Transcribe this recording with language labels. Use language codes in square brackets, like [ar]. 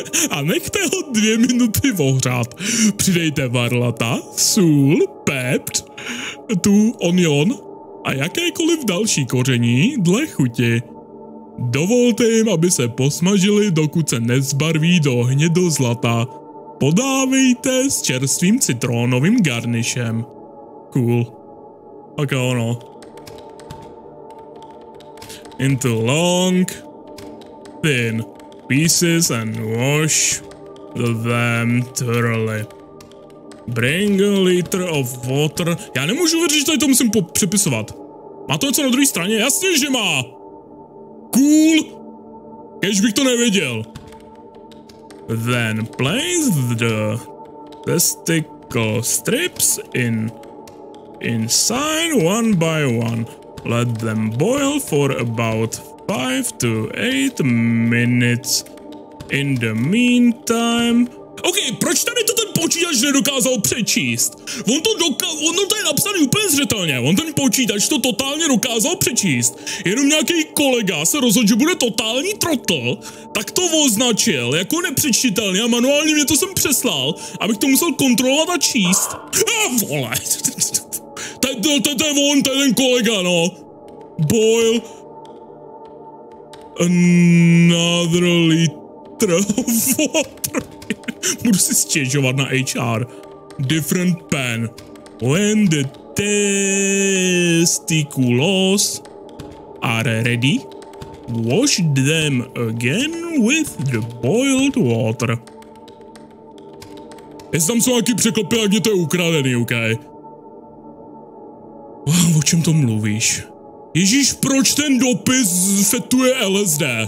[cs] A nechte ho 2 minuty ohřát. Přidejte varlata, sůl, pept, tu onion a jakékoliv další koření dle chuti. Dovolte jim, aby se posmažili, dokud se nezbarví do hnědozlata. Podávejte s čerstvým citrónovým garnišem. Cool. Tak jo, no. [en] Into long, thin pieces and wash them thoroughly. Bring a liter of water. [cs] Já nemůžu věřit, že tady to musím přepisovat. Má to něco na druhé straně? Jasně, že má! Cool! Kéž bych to nevěděl. [en] Then place the testicle strips inside one by one. Let them boil for about 5 to 8 minutes. In the meantime... [cs] OK, proč tady to ten počítač nedokázal přečíst? On to tady napsaný úplně zřetelně. On ten počítač to totálně dokázal přečíst. Jenom nějaký kolega se rozhodl, že bude totální trotl, tak to označil jako nepřečitelný a manuálně mě to sem přeslal, abych to musel kontrolovat a číst. Vole! To je ten kolega, no. [en] Boil another liter of water. [cs] Budu si stěžovat na HR. [en] Different pen. When the testiculos are ready, wash them again with the boiled water. [cs] Jestli tam jsou nějaký překlopy, jak mě to je ukradený, OK? O čem to mluvíš? Ježíš, proč ten dopis fetuje LSD?